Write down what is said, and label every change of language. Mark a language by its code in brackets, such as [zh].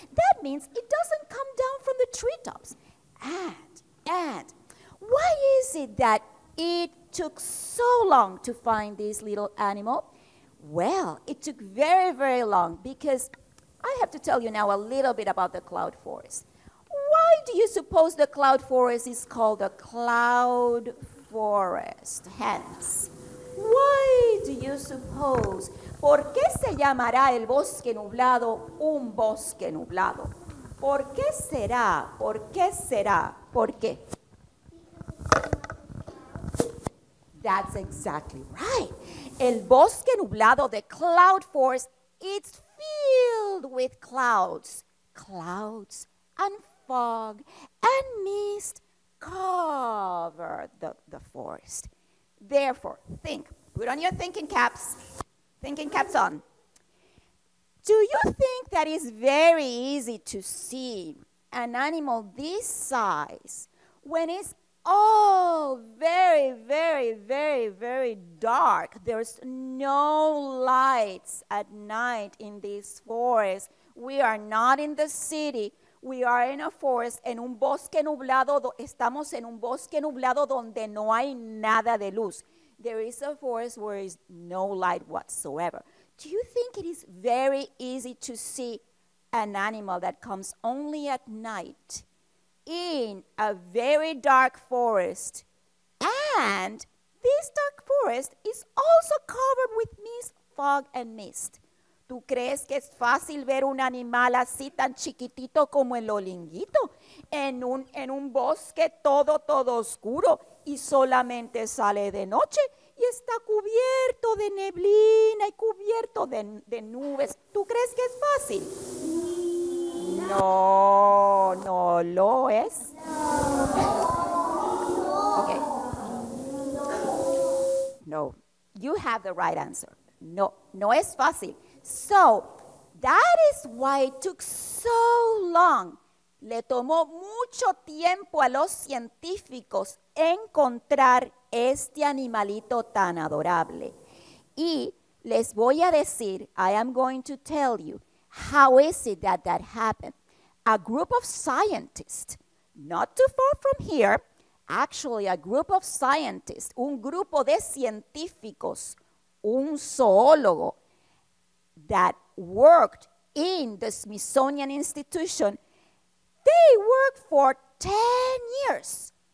[en] That means it doesn't come down from the treetops. And why is it that it took so long to find this little animal? Well, it took very, very long because I have to tell you now a little bit about the cloud forest. Why do you suppose the cloud forest is called the cloud forest? Hence, why do you suppose? [es] ¿Por qué se llamará el bosque nublado un bosque nublado? ¿Por qué será? ¿Por qué será? ¿Por qué? [en] That's exactly right. [es] El bosque nublado, [en] the cloud forest, it's filled with clouds. Clouds and fog and mist cover the forest. Therefore, think. Put on your thinking caps on. Do you think that it's very easy to see an animal this size when it's all very, very, very, very dark? There's no lights at night in this forest. We are not in the city. We are in a forest, [es] en un bosque nublado. Estamos en un bosque nublado donde no hay nada de luz. [en] There is a forest where there is no light whatsoever. Do you think it is very easy to see an animal that comes only at night in a very dark forest? And this dark forest is also covered with mist, fog, and mist. [es] ¿Tú crees que es fácil ver un animal así tan chiquitito como el olinguito en un bosque todo oscuro y solamente sale de noche y está cubierto de neblina y cubierto de nubes? ¿Tú crees que es fácil? No, no lo es. No. [en] Okay. No. You have the right answer. [es] No, no es fácil. [en] So, that is why it took so long. [es] Le tomó mucho tiempo a los científicos encontrar este animalito tan adorable. Y les voy a decir, [en] I am going to tell you, how is it that happened? A group of scientists, not too far from here, actually a group of scientists, [es] un grupo de científicos, un zoólogo, [en] that worked in the Smithsonian Institution, they worked for 10 years